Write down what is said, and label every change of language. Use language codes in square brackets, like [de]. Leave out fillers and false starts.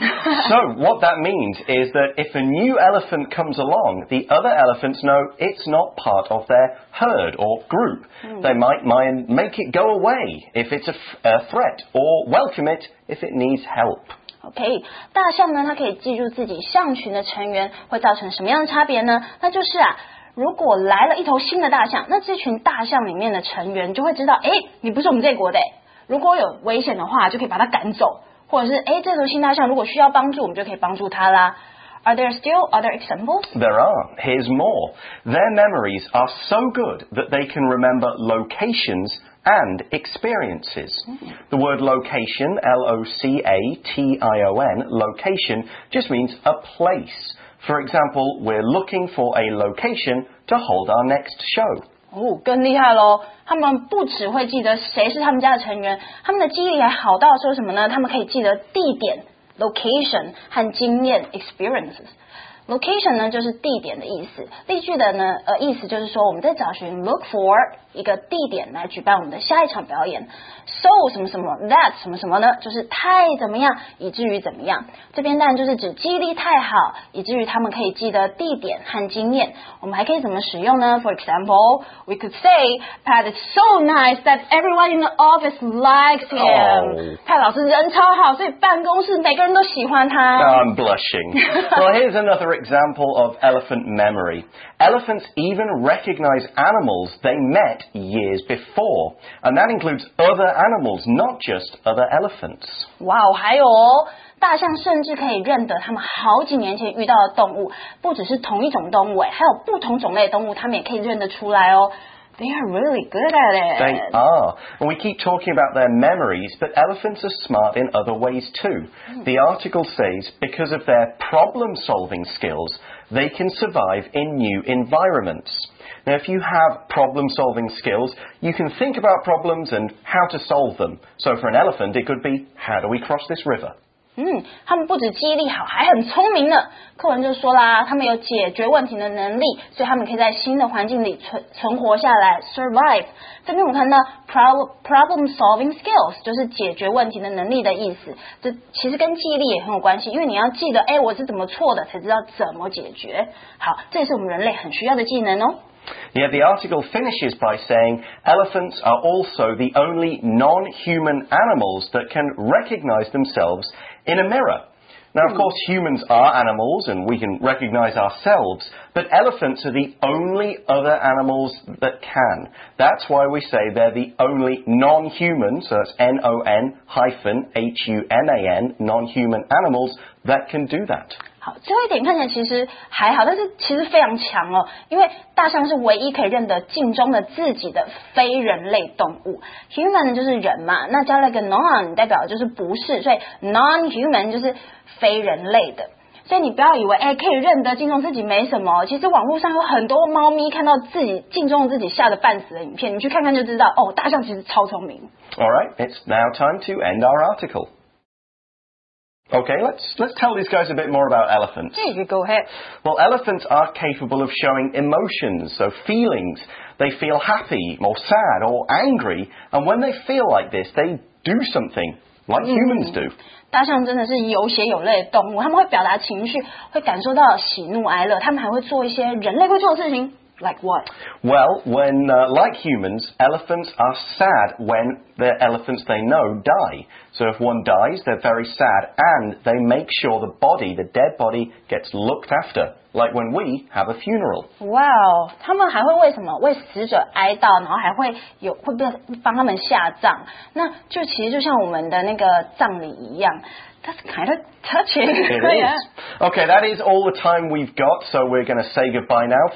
[en] So what that means is that if a new elephant comes along, the other elephants know it's not part of their herd or group. Mm. They might make it go away if it's a threat, or welcome it if it needs help. [zh] OK, 大象呢，它可以记住自己象群的成员会造成什么样的差别呢？那就是啊，如果来了一头新的大象，那这群大象里面的成员就会知道，哎，你不是我们这国的，如果有危险的话，就可以把它赶走。或者是哎，这头新大象如果需要帮助，我们就可以帮助它啦。 [en] Are there still other examples? There are. Here's more. Their memories are so good that they can remember locations and experiences. The word location, L-O-C-A-T-I-O-N, location, just means a place. For example, we're looking for a location to hold our next show. [zh] 哦，更厉害咯。他们不只会记得谁是他们家的成员，他们的记忆力还好到说什么呢？他们可以记得地点。 Location 和经验 experiences. Location 呢就是地点的意思。例句的呢意思就是说我们在找寻 [en] look for [zh] 一个地点来举办我们的下一场表演。 So 什么什么 that 什么什么呢？就是太怎么样，以至于怎么样。这边当然就是指记忆力太好，以至于他们可以记得地点和经验。我们还可以怎么使用呢 [en] ？For example, we could say Pat is so nice that everyone in the office likes him. [zh] Pat 老师人超好，所以办公室每个人都喜欢他。 [en] I'm blushing. Well, here's another example of elephant memory. Elephants even recognize animals they met years before, and that includes other animals, not just other elephants. [zh] Wow, 还有哦。大象甚至可以认得他们好几年前遇到的动物，不只是同一种动物，还有不同种类的动物，他们也可以认得出来哦。 [en] They are really good at it. They are. And we keep talking about their memories, but elephants are smart in other ways too. The article says, because of their problem-solving skills, they can survive in new environments. Now, if you have problem-solving skills, you can think about problems and how to solve them. So for an elephant, it could be, how do we cross this river? [zh] 他们不止记忆力好，还很聪明呢。课文就说啦，他们有解决问题的能力，所以他们可以在新的环境里存活下来 ，survive。这边我们看到 [en] problem solving skills [zh] 就是解决问题的能力的意思。这其实跟记忆力也很有关系，因为你要记得，哎，我是怎么错的，才知道怎么解决。好，这也是我们人类很需要的技能哦。 [en] Yeah, the article finishes by saying elephants are also the only non-human animals that can recognize themselves in a mirror. Now, of course, humans are animals and we can recognize ourselves, but elephants are the only other animals that can. That's why we say they're the only non-human, so that's N-O-N hyphen H-U-M-A-N, non-human animals that can do that. [zh] 好，最后一点看起来其实还好，但是其实非常强哦，因为大象是唯一可以认得镜中的自己的非人类动物。 Human 就是人嘛，那加了个 non 代表就是不是，所以 non-human 就是非人类的。所以你不要以为哎可以认得镜中自己没什么，其实网络上有很多猫咪看到自己镜中自己吓得半死的影片，你去看看就知道哦，大象其实超聪明。 [en] All right, it's now time to end our article. Okay, let's tell these guys a bit more about elephants. Hey, you go ahead. Well, elephants are capable of showing emotions, so feelings. They feel happy, or sad, or angry, and when they feel like this, they do something, like humans do. 大象真的是有血有泪的动物，他们会表达情绪，会感受到喜怒哀乐，他们还会做一些人类会做的事情。 Like what? Well, when, like humans, elephants are sad when the elephants they know die. So if one dies, they're very sad and they make sure the body, the dead body, gets looked after. Like when we have a funeral. [zh] Wow, 他们还会为什么？为死者哀悼，然后还会有，会帮他们下葬。那就其实就像我们的那个葬礼一样。 [en] That's kind of touching. It is. Okay, that is all the time we've got, so we're going to say goodbye now.